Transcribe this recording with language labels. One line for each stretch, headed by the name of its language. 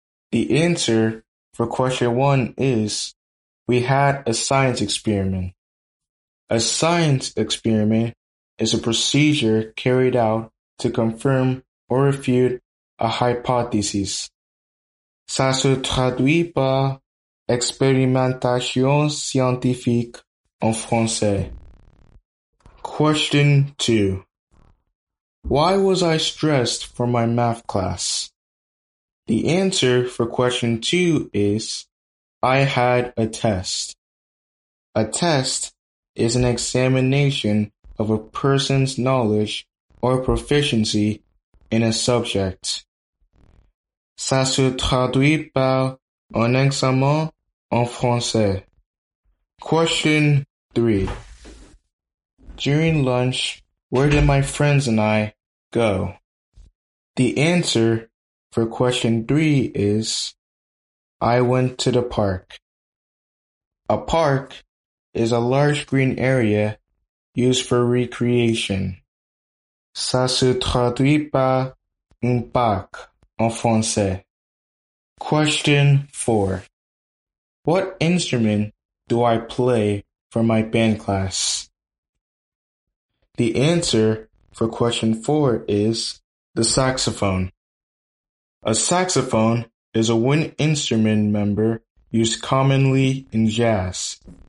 English: The answer for question 1 is, we had a science experiment. A science experiment is a procedure carried out to confirm or refute a hypothesis.
French: Ça se traduit par expérimentation scientifique en français.
English: Question 2. Why was I stressed for my math class? The answer for question 2 is, I had a test. A test is an examination of a person's knowledge or proficiency in a subject.
French: Ça se traduit par un examen en français.
English: Question 3. During lunch, where did my friends and I go? The answer for question 3 is, I went to the park. A park is a large green area used for recreation.
French: Ça se traduit par un parc en français.
English: Question 4. What instrument do I play for my band class? The answer for question 4 is the saxophone. A saxophone is a wind instrument member used commonly in jazz.